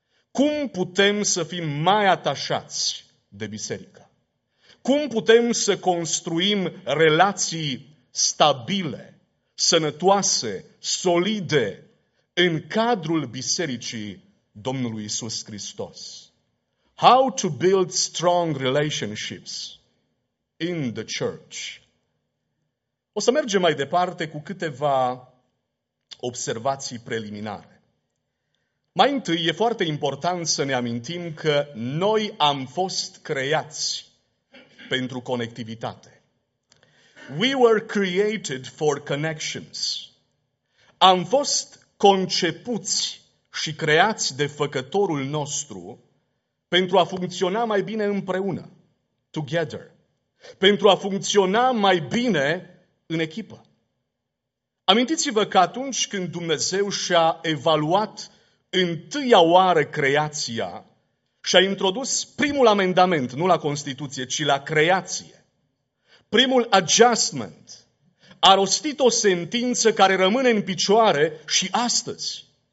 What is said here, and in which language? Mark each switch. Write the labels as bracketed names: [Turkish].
[Romanian] Cum putem să fim mai atașați de biserică? Cum putem să construim relații stabile, sănătoase, solide în cadrul bisericii Domnului Iisus Hristos? [English] How to build strong relationships in the church? [Romanian] O să mergem mai departe cu câteva observații preliminare. Mai întâi, e foarte important să ne amintim că noi am fost creați pentru conectivitate. [English] We were created for connections. [Romanian] Am fost concepuți și creați de Făcătorul nostru pentru a funcționa mai bine împreună, together, pentru a funcționa mai bine în echipă. Amintiți-vă că atunci când Dumnezeu și-a evaluat întâia oară creația și a introdus primul amendament, nu la Constituție, ci la creație, primul adjustment, a rostit o sentință care rămâne în picioare și astăzi.